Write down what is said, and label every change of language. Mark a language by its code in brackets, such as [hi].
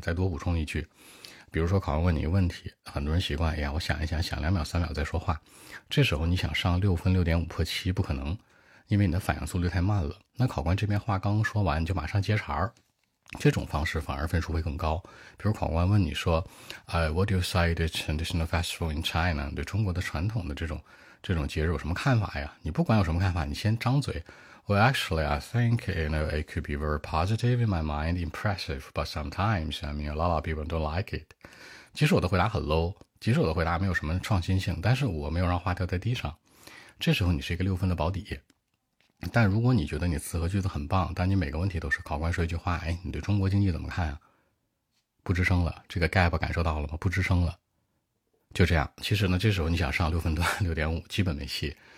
[zh] 再多补充一句，比如说考官问你一个问题，很多人习惯，哎呀，我想一想，想两秒三秒再说话，这时候你想上6分 6.5 破7不可能，因为你的反应速率太慢了。那考官这边话刚刚说完你就马上接茬儿，这种方式反而分数会更高。比如考官问你说， [en] What do you say the traditional festival in China? [zh] 对中国的传统的这种节日有什么看法呀？你不管有什么看法，你先张嘴。 [en] Well, actually, I think, you know, it could be very positive in my mind, impressive, but sometimes, I mean, a lot of people don't like it. [zh] 即使我的回答很 low, 即使我的回答没有什么创新性，但是我没有让话掉在地上。这时候你是一个六分的保底。但如果你觉得你词和句子很棒，但你每个问题都是考官说一句话，哎，你对中国经济怎么看啊？不吱声了，这个 gap 感受到了吗？不吱声了，就这样。其实呢，这时候你想上6分段 6.5 基本没戏。